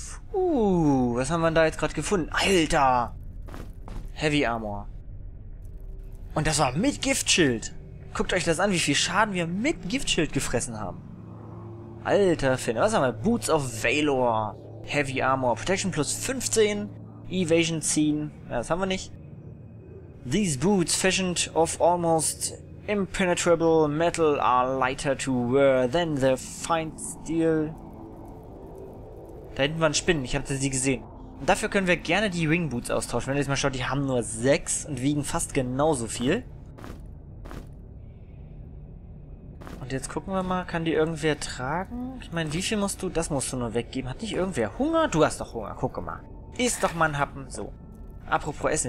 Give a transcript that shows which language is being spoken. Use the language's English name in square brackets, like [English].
[German] Puh. Was haben wir da jetzt gerade gefunden? Alter. Heavy Armor. Und das war mit Giftschild. Guckt euch das an, wie viel Schaden wir mit Giftschild gefressen haben. Alter Finn. Was haben wir? Boots of Valor. Heavy Armor, Protection plus 15, Evasion 10, ja, das haben wir nicht. [English] These boots, fashioned of almost impenetrable metal, are lighter to wear than the fine steel. [German] Da hinten waren Spinnen, ich hatte sie gesehen. Und dafür können wir gerne die Ring Boots austauschen. Wenn ihr jetzt mal schaut, die haben nur 6 und wiegen fast genauso viel. Und jetzt gucken wir mal, kann die irgendwer tragen? Ich meine, wie viel musst du... Das musst du nur weggeben. Hat nicht irgendwer Hunger? Du hast doch Hunger. Guck mal. Iss doch mal einen Happen. So. Apropos Essen.